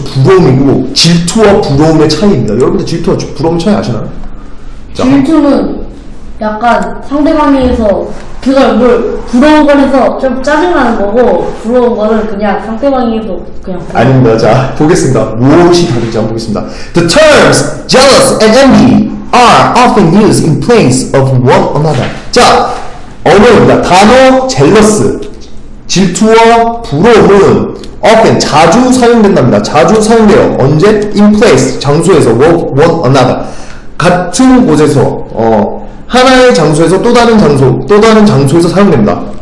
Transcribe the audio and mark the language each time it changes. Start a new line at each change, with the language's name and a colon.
Korean: 부러움이고 질투와 부러움의 차이입니다. 여러분들 질투와 부러움의 차이 아시나요? 자. 질투는 약간 상대방에서 그걸 뭘 부러운 거에서 좀 짜증나는 거고 부러운 거는 그냥 상대방에게도 그냥 부러운. 아닙니다. 자 보겠습니다. 무엇이 다른지 한번 보겠습니다.
English: The terms jealous and envy are often used in place of one another.
Korean: 자 언어입니다. 단어 jealous 질투와 부러움은 often 자주 사용된답니다. 자주 사용돼요. 언제?
English: In place
Korean: 장소에서
English: one another
Korean: 같은 곳에서 하나의 장소에서 또 다른 장소, 또 다른 장소에서 사용됩니다.